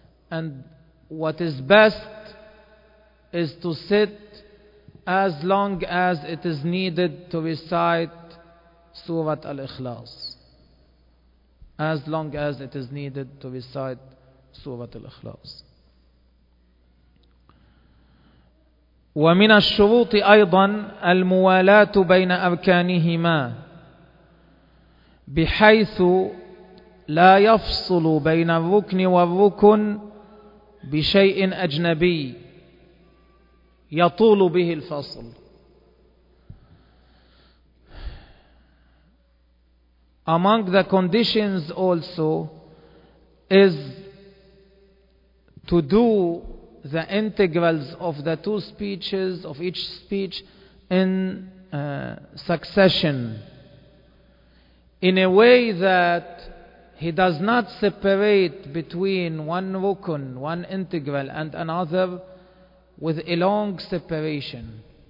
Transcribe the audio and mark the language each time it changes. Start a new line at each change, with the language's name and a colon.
English: And what is best is to sit as long as it is needed to recite سورة الإخلاص. As long as it is needed to recite سورة الإخلاص.
Arabic: ومن الشروط أيضا الموالاة بين أركانهما بحيث لا يفصل بين الركن والركن بشيء أجنبي يطول به الفصل.
English: Among the conditions also is to do the integrals of the two speeches, of each speech, in succession, in a way that he does not separate between one rukun, one integral, and another with a long separation.